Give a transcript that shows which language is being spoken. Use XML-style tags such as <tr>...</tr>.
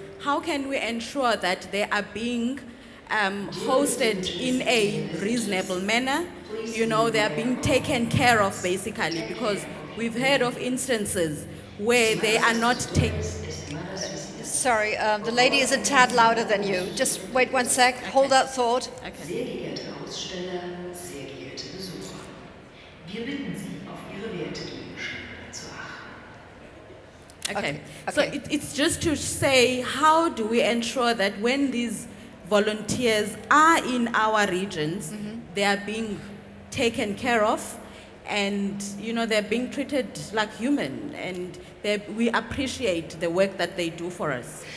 <en>How can we ensure that they are being hosted in a reasonable manner? You know, they are being taken care of, basically, because we've heard of instances where they are not taken. Sorry, the lady is a tad louder than you. Just wait one sec, okay. Hold that thought. Okay.</en> <de>Sehr geehrte Aussteller, sehr geehrte Besucher, wir bitten Sie, auf Ihre Werte zu achten.</de> <en>Okay, so it's just to say, how do we ensure that when these volunteers are in our regions, they are being taken care of, and, you know, they're being treated like human, and we appreciate the work that they do for us.</en>